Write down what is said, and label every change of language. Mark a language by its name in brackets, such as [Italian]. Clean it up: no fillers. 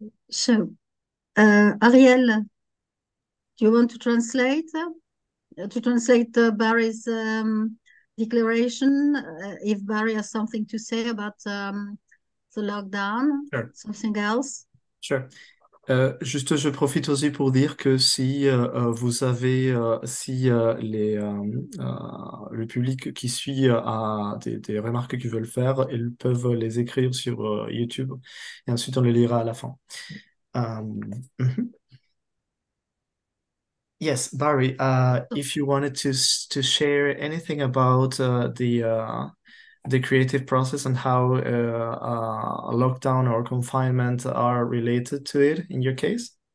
[English] So, Ariel, do you want to translate? To translate Barry's declaration, if Barry has something to say about the lockdown, sure. Something else? Sure. [French] Juste, je profite aussi pour dire que si vous avez, si les, le public qui suit a des remarques qu'ils veulent faire, ils peuvent les écrire sur YouTube et ensuite on les lira à la fin. [English] Yes, Barry, if you wanted to share anything about the creative process and how lockdown or confinement are related to it in your case?